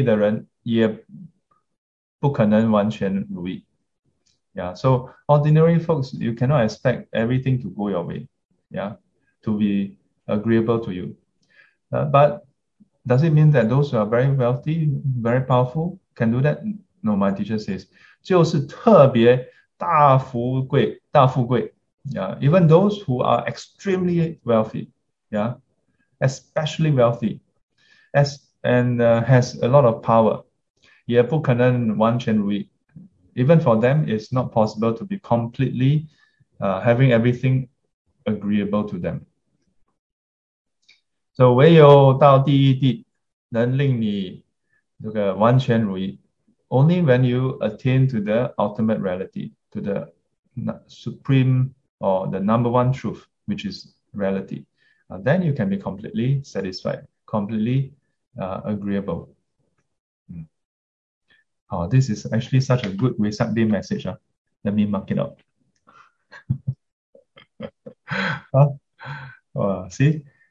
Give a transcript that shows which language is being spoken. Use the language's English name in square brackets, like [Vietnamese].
[Chinese] 就是特别大富贵有权利的人也不可能完全如意. [English] Yeah, so ordinary folks, you cannot expect everything to go your way, yeah, to be agreeable to you. But does it mean that those who are very wealthy, very powerful, can do that? No, my teacher says, [Chinese] 就是特别大富贵, [English] yeah, even those who are extremely wealthy, yeah, especially wealthy, has a lot of power, [Chinese] 也不可能完全如意. [English] Even for them, it's not possible to be completely having everything agreeable to them. [Chinese] So, 唯有到第一地能令你这个完全如意. [English] Only when you attain to the ultimate reality, to the supreme or the number one truth, which is reality, then you can be completely satisfied, completely agreeable. Oh, this is actually such a good Vesak Day message. Let me mark Wow, see?